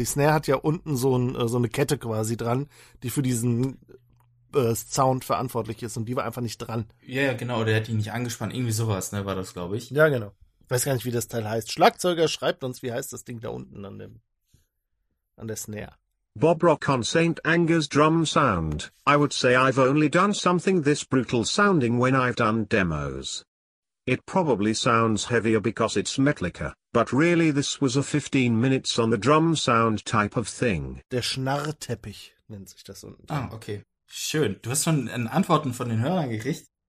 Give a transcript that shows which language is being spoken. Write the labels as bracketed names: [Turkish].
[German] Die Snare hat ja unten so eine Kette quasi dran, die für diesen Sound verantwortlich ist und die war einfach nicht dran. Ja, genau, der hat die nicht angespannt. Irgendwie sowas, ne, war das, glaube ich. Ja, genau. Weiß gar nicht, wie das Teil heißt. Schlagzeuger, schreibt uns, wie heißt das Ding da unten an der Snare. [English] Bob Rock on St. Anger's drum sound. I would say I've only done something this brutal sounding when I've done demos. It probably sounds heavier because it's Metallica, but really this was a 15 minutes on the drum sound type of thing. [German] Der Schnarrteppich nennt sich das unten. Ah, okay. Schön. Du hast schon Antworten von den Hörern gekriegt.